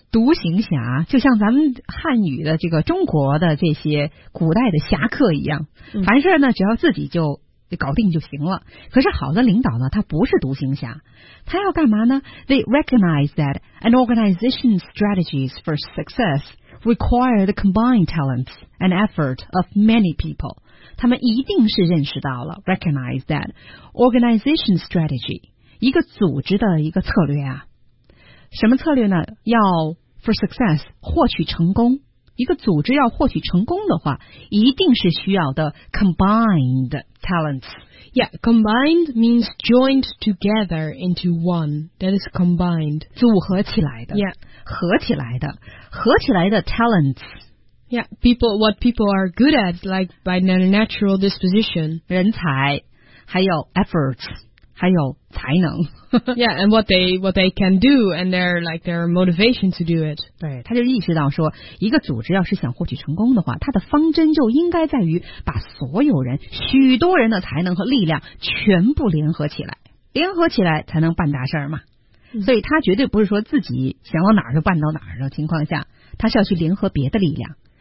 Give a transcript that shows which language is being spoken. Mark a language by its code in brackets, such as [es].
[zh] 独行侠就像咱们汉语的这个中国的这些古代的侠客一样，凡事呢只要自己就搞定就行了。可是好的领导呢，他不是独行侠，他要干嘛呢 [en] ？They recognize that an organization's strategies for success require the combined talents and effort of many people. [zh] 他们一定是认识到了 ， [en] recognize that organization strategy。 [zh] 一个组织的一个策略啊。什么策略呢？要 [en] for success [zh] 获取成功。一个组织要获取成功的话，一定是需要的 combined talents。 [en] Yeah, combined means joined together into one. That is combined. [zh] 组合起来的。 [en] Yeah, [zh] 合起来的，合起来的 talents。 [en] Yeah, people, what people are good at, like by their natural disposition. [zh] 人才，还有 efforts, 还有才能。 [en] Yeah, and what they can do, and their like their motivation to do it. [zh] 对，他就意识到说，一个组织要是想获取成功的话，它的方针就应该在于把所有人、许多人的才能和力量全部联合起来，联合起来才能办大事儿嘛。所以他绝对不是说自己想往哪儿就办到哪儿的情况下，他是要去联合别的力量。